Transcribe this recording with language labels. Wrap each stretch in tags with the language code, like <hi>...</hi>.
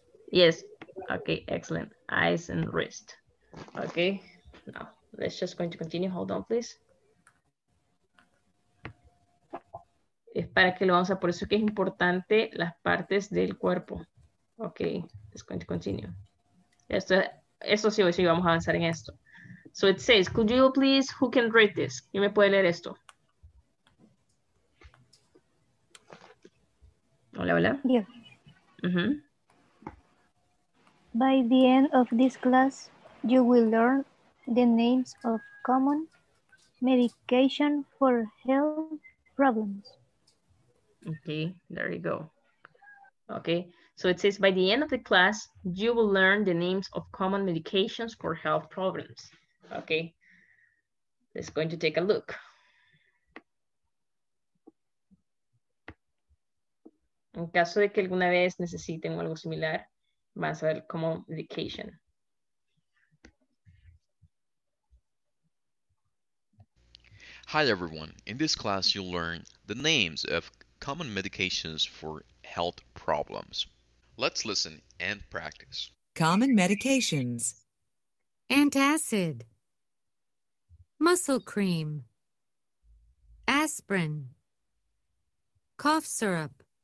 <en>Yes. Okay, excellent. Eyes and wrist. Okay. Now, let's just going to continue. Hold on, please.</en> <es>Es para que lo vamos a, por eso que es importante las partes del cuerpo.</es> <en>Ok, let's going to continue.</en> <es>Esto sí, hoy sí vamos a avanzar en esto.</es> <en>So it says, could you please, who can read this?</en> <es>¿Quién me puede leer esto? Hola, hola.</es> <en>Yeah. Uh-huh. By the end of this class, you will learn the names of common medication for health problems. Okay, there you go. Okay, so it says by the end of the class, you will learn the names of common medications for health problems. Okay, let's going to take a look.</en> <es>En caso de que alguna vez necesiten algo similar, van a saber</es> <en>common medication. Hi everyone, in this class you'll learn the names of common medications for health problems. Let's listen and practice. Common medications. Antacid. Muscle cream. Aspirin. Cough syrup.</en>